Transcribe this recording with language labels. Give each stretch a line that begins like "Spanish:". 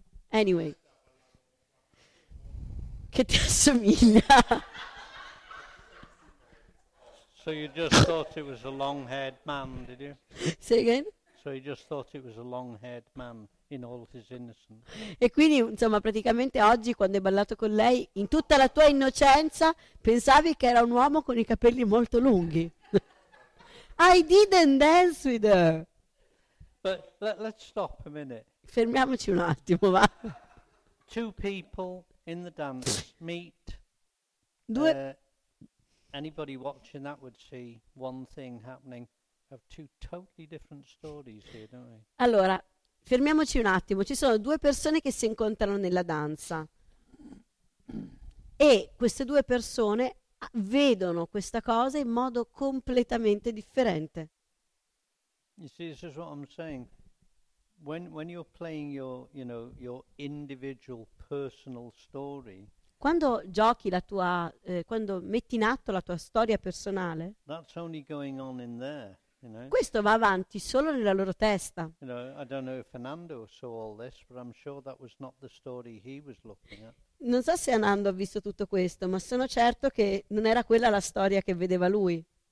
English: Anyway.
Italian: Che ti assomiglia?
English: So you just thought it was a long-haired man, did you? Say again? So you just thought it was a long-haired man. In all his innocence.
Italian: E quindi, insomma, praticamente oggi quando hai ballato con lei, in tutta la tua innocenza, pensavi che era un uomo con i capelli molto lunghi.
English: I didn't dance with her. But let's stop a minute.
Italian: Fermiamoci un attimo, va.
English: Two people in the dance meet. Anybody watching that would see one thing happening. Have two totally different stories here, don't we?
Italian: Allora. Fermiamoci un attimo, ci sono due persone che si incontrano nella danza e queste due persone vedono questa cosa in modo completamente differente.
English: You see, this is what I'm saying. When you're playing your, you know, your individual personal story.
Italian: Quando giochi la tua quando metti in atto la tua storia personale.
English: That's only going on in there. You know?
Italian: Questo va avanti solo nella loro testa.
English: You know, I don't know if Fernando saw all this, but I'm sure that was not the story he was looking at.
Italian: Non so se Anando ha visto tutto questo, ma sono certo che non era quella la storia che vedeva lui.